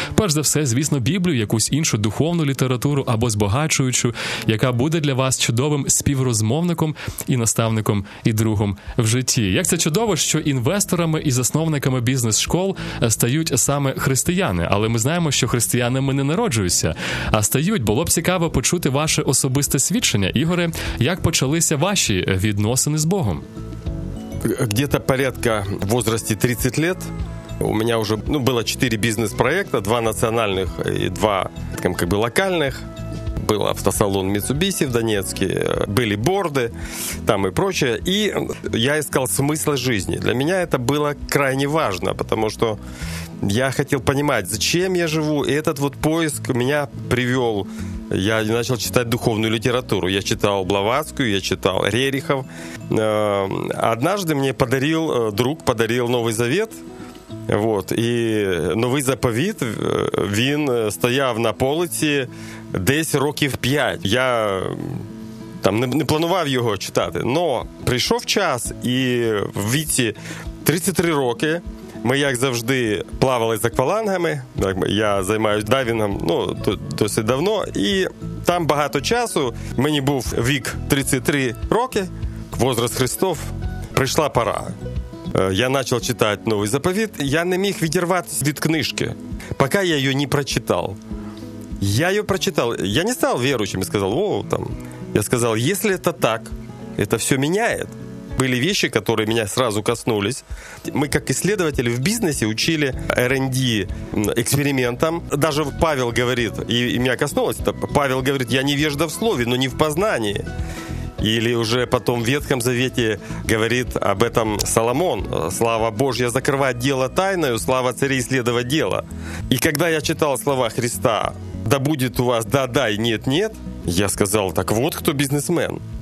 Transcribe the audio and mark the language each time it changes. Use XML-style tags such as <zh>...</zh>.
<uk>Перш за все, звісно, Біблію, якусь іншу духовну літературу або збагачуючу, яка буде для вас чудовим співрозмовником і наставником, і другом в житті. Як це чудово, що інвесторами і засновниками бізнес-школ стають саме християни. Але ми знаємо, що християнами не народжуються, а стають. Було б цікаво почути ваше особисте свідчення. Ігоре, як почалися ваші відносини з Богом?</uk> <ru>Где-то порядка в возрасте 30 лет у меня уже, ну, было 4 бизнес-проекта, 2 национальных и 2 там, как бы локальных. Был автосалон Mitsubishi в Донецке, были борды там и прочее. И я искал смысл жизни. Для меня это было крайне важно, потому что я хотел понимать, зачем я живу. И этот вот поиск меня привел. Я начал читать духовную литературу. Я читал Блаватскую, я читал Рерихов. Однажды мне подарил друг, подарил Новый Завет. Вот.</ru> <uk>И Новый Заповіт, він стояв на полиці десь років 5. Я там не планував його читати. Но прийшов час, і в віці 33 роки ми, як завжди, плавали з аквалангами. Я займаюся дайвінгом досить давно, і там багато часу. Мені був вік 33 роки,</uk> <ru>возраст Христов,</ru> <uk>прийшла пора. Я почав читати новий заповіт. Я не міг відірватися від книжки, поки я її не прочитав. Я її прочитав. Я не став віруючим і сказав, я сказав, якщо це так, це все міняє. Були речі, які мене одразу коснулись. Ми, як дослідники в бізнесі, вчили R&D експериментам. Навіть Павел говорить, і мене коснулося, Павел говорить, я невежда в слові, але не в познанні.</uk> <ru>Или уже потом в Ветхом Завете говорит об этом Соломон. Слава Божья закрывать дело тайною, слава царей исследовать дело. И когда я читал слова Христа, да будет у вас да-да и нет-нет, я сказал, так вот кто бизнесмен.</ru>